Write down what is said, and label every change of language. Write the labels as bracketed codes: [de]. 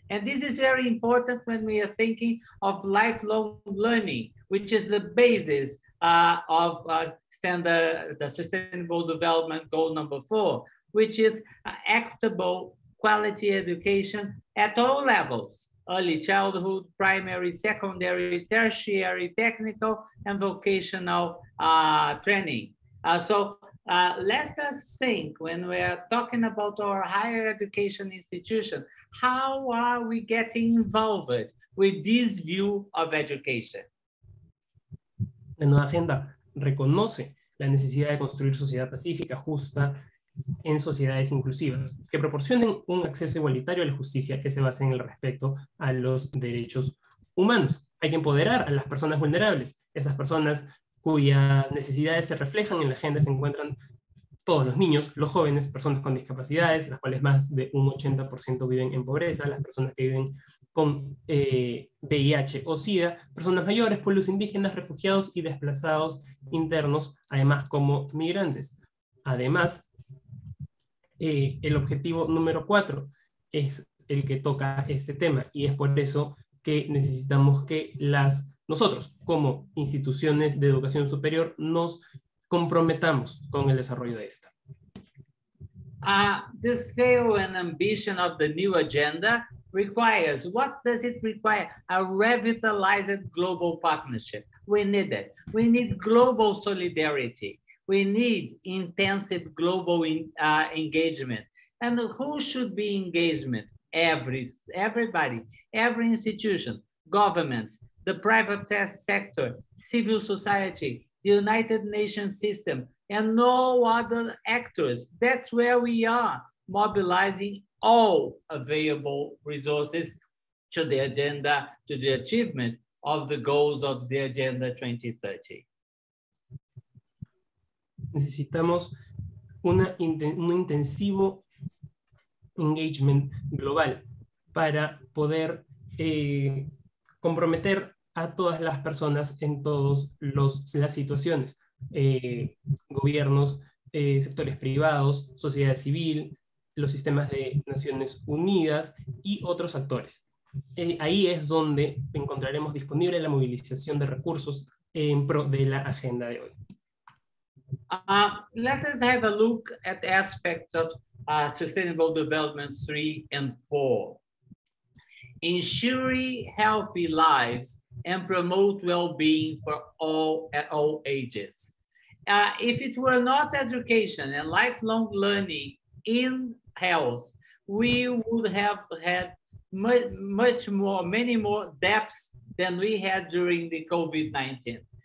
[en] And this is very important when we are thinking of lifelong learning, which is the basis of the sustainable development goal number 4, which is equitable quality education at all levels, early childhood, primary, secondary, tertiary, technical, and vocational training. Let us think, when we are talking about our higher education institution, how are we getting involved with this view of education? [es] La nueva agenda reconoce la necesidad de construir sociedad pacífica justa en sociedades inclusivas que proporcionen un acceso igualitario a la justicia que se base en el respeto a los derechos humanos. Hay que empoderar a las personas vulnerables, esas personas cuyas necesidades se reflejan en la agenda, se encuentran todos los niños, los jóvenes, personas con discapacidades, las cuales más de un 80% viven en pobreza, las personas que viven con VIH o SIDA, personas mayores, pueblos indígenas, refugiados y desplazados internos, además como migrantes. Además, el objetivo número 4 es el que toca este tema, y es por eso que necesitamos que nosotros, como instituciones de educación superior, nos comprometamos con el desarrollo de esta. [en] The scale and ambition of the new agenda requires, what does it require? A revitalized global partnership. We need it. We need global solidarity. We need intensive global engagement. And who should be engagement? Everybody, every institution, governments, the private sector, civil society, the United Nations system, and no other actors. That's where we are mobilizing all available resources to the agenda, to the achievement of the goals of the Agenda 2030. [es] Necesitamos un intensivo engagement global para poder comprometer a todas las personas en todas las situaciones, gobiernos, sectores privados, sociedad civil, los sistemas de Naciones Unidas y otros actores. Ahí es donde encontraremos disponible la movilización de recursos en pro de la agenda de hoy. [en] Let us have a look at the aspects of Sustainable Development 3 and 4. Ensuring healthy lives and promote well-being for all at all ages. If it were not education and lifelong learning in health, we would have had many more deaths than we had during the COVID-19.